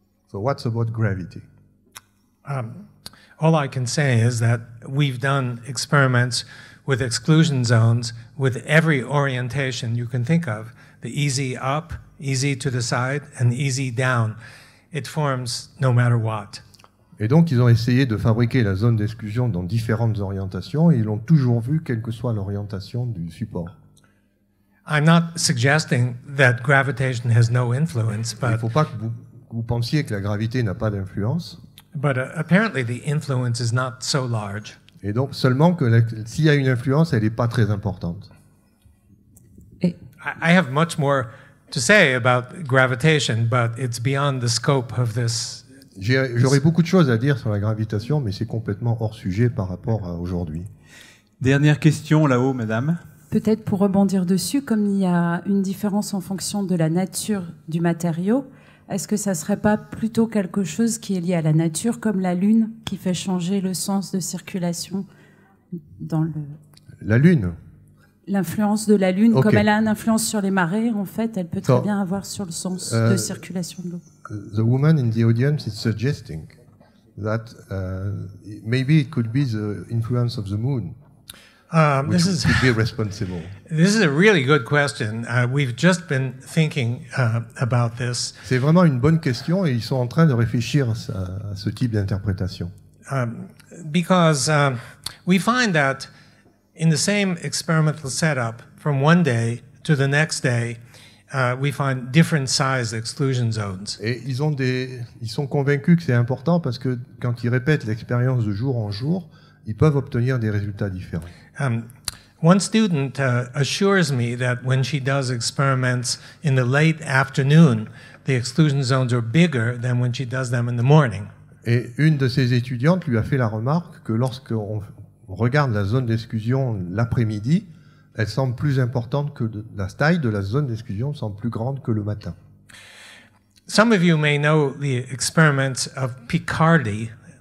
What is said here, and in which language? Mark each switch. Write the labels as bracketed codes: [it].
[en] So, what's about gravity? All I can say is that we've done experiments with exclusion zones with every orientation you can think of, the easy up, easy to the side, and easy down. It forms no matter what. [fr] Et donc, ils ont essayé de fabriquer la zone d'exclusion dans différentes orientations, et ils l'ont toujours vu, quelle que soit l'orientation du support. [en] I'm not suggesting that gravitation has no influence, but... [fr] Il ne faut pas que vous pensiez que la gravité n'a pas d'influence. [en] But apparently the influence is not so large. [fr] Et donc seulement que s'il y a une influence, elle n'est pas très importante. [en] I have much more to say about gravitation, but it's beyond the scope of this. [fr] J'aurais beaucoup de choses à dire sur la gravitation, mais c'est complètement hors sujet par rapport à aujourd'hui. Dernière question là-haut, madame. Peut-être pour rebondir dessus, comme il y a une différence en fonction de la nature du matériau. Est-ce que ça ne serait pas plutôt quelque chose qui est lié à la nature, comme la Lune, qui fait changer le sens de circulation dans le... La Lune ? L'influence de la Lune, okay. Comme elle a une influence sur les marées, en fait, elle peut très bien avoir sur le sens de circulation de l'eau. [en] The woman in the audience is suggesting that maybe it could be the influence of the moon. Could be responsible. This is a really good question. We've just been thinking about this. [fr] C'est vraiment une bonne question et ils sont en train de réfléchir à ce type d'interprétation. [en] We find that in the same experimental setup, from one day to the next day, We find different size exclusion zones. [fr] Et ils sont convaincus que c'est important parce que quand ils répètent l'expérience de jour en jour, ils peuvent obtenir des résultats différents. [en] One student assures me that when she does experiments in the late afternoon, the exclusion zones are bigger than when she does them in the morning. [fr] Et une de ses étudiantes lui a fait la remarque que lorsque on regarde la zone d'exclusion l'après-midi, elle semble plus importante que la taille de la zone d'exclusion semble plus grande que le matin. [en] Some of you may know the experiments of Picardy.